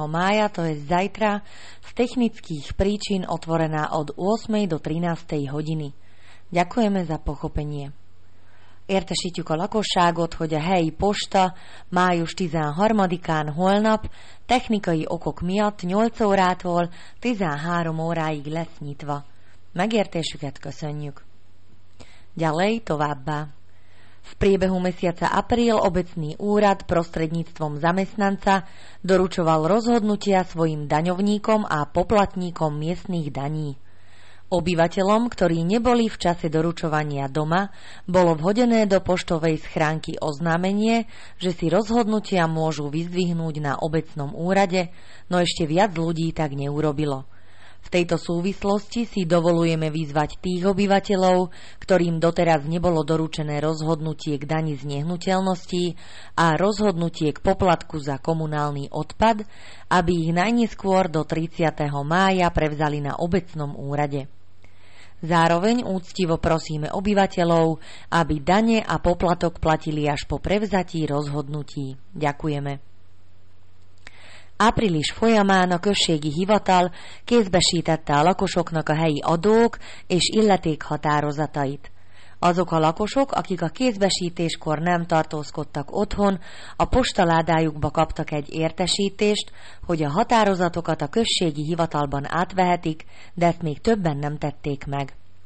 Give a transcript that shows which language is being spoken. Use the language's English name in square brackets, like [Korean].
[Slovak] mája, to je zajtra, z technických príčin otvorená od 8. do 13. hodiny. Ďakujeme za pochopenie. [Hungarian] Értesítjük a lakosságot, hogy a helyi posta május 13-án holnap technikai okok miatt 8 órától 13 óráig lesz nyitva. Megértésüket köszönjük. [Slovak] Ďalej [Hungarian] továbbá. [Slovak] V priebehu mesiaca apríl obecný úrad prostredníctvom zamestnanca doručoval rozhodnutia svojim daňovníkom a poplatníkom miestnych daní. Obyvateľom, ktorí neboli v čase doručovania doma, bolo vhodené do poštovej schránky oznámenie, že si rozhodnutia môžu vyzdvihnúť na obecnom úrade, no ešte viac ľudí tak neurobilo. V tejto súvislosti si dovolujeme vyzvať tých obyvateľov, ktorým doteraz nebolo doručené rozhodnutie k dani z nehnuteľností a rozhodnutie k poplatku za komunálny odpad, aby ich najneskôr do 30. mája prevzali na obecnom úrade. Zároveň úctivo prosíme obyvateľov, aby dane a poplatok platili až po prevzatí rozhodnutí. Ďakujeme. [Hungarian] Április folyamán a községi hivatal kézbesítette a lakosoknak a helyi adók és illetékhatározatait. Azok a lakosok, akik a kézbesítéskor nem tartózkodtak otthon, a postaládájukba kaptak egy értesítést, hogy a határozatokat a községi hivatalban átvehetik, de ezt még többen nem tették meg.